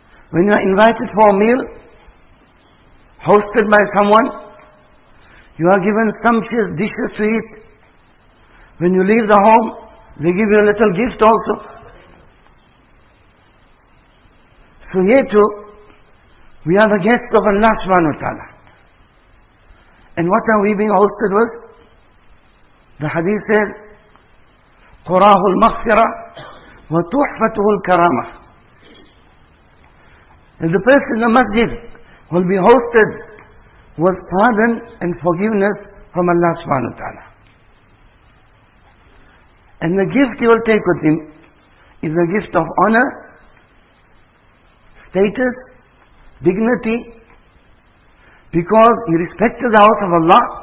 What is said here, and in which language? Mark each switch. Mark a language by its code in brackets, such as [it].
[en] When you are invited for a meal, hosted by someone, you are given sumptuous dishes to eat. When you leave the home, they give you a little gift also. So here too, we are the guests of Allah subhanahu wa ta'ala. And what are we being hosted with? The hadith says, [ar] قُرَاهُ الْمَغْفِرَةُ وَتُحْفَتُهُ الْكَرَامَةُ. [en] The person in the masjid will be hosted with pardon and forgiveness from Allah subhanahu wa ta'ala. And the gift he will take with him is a gift of honor, status, dignity, because he respected the house of Allah.